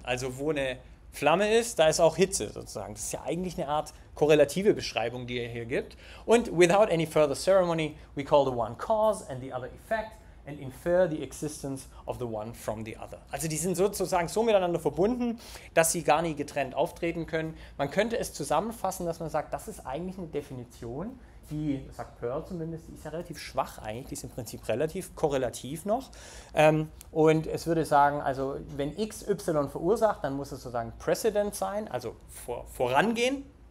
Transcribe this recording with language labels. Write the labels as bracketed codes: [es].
[de] Also wo eine Flamme ist, da ist auch Hitze sozusagen. Das ist ja eigentlich eine Art korrelative Beschreibung, die er hier gibt. [en] Und without any further ceremony, we call the one cause and the other effect and infer the existence of the one from the other. [de] Also die sind sozusagen so miteinander verbunden, dass sie gar nie getrennt auftreten können. Man könnte es zusammenfassen, dass man sagt, das ist eigentlich eine Definition, die, sagt Pearl zumindest, die ist ja relativ schwach eigentlich, die ist im Prinzip relativ korrelativ noch. Und es würde sagen, also wenn X, Y verursacht, dann muss es sozusagen precedent sein, also vorangehen.